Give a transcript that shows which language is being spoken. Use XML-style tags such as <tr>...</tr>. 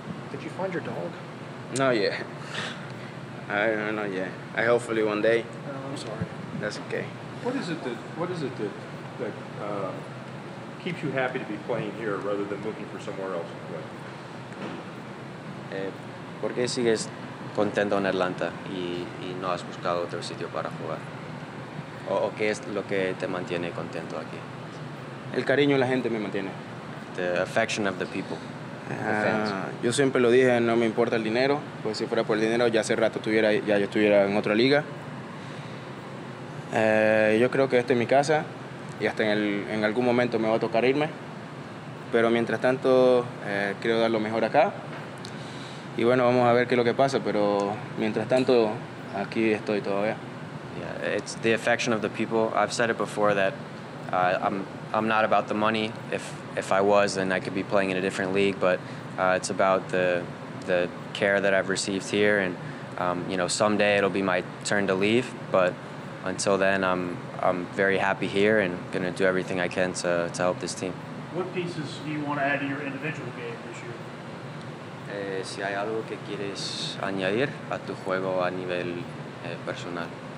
<en>Did you find your dog? No, yeah. I don't know, yeah. Hopefully one day. I'm sorry. That's okay. What is it that keeps you happy to be playing here rather than looking for somewhere else?</en> <es>¿Por qué sigues contento en Atlanta y no has buscado otro sitio para jugar? ¿O qué es lo que te mantiene contento aquí? El cariño de la gente me mantiene.</es> <en>The affection of the people.</en> <es>Yo siempre lo dije, no me importa el dinero, pues si fuera por el dinero ya hace rato estuviera, ya yo estuviera en otra liga. Yo creo que esta es mi casa y hasta en algún momento me va a tocar irme, pero mientras tanto quiero dar lo mejor acá y bueno, vamos a ver qué es lo que pasa, pero mientras tanto aquí estoy todavía.</es> <en>Yeah, it's the affection of the people. I've said it before that I'm not about the money. If I was, then I could be playing in a different league, but it's about the care that I've received here, and you know, someday it'll be my turn to leave, but until then I'm very happy here and gonna do everything I can to help this team. What pieces do you want to add to your individual game this year?</en> <es>Si hay algo que quieres añadir a tu juego a nivel personal.</es>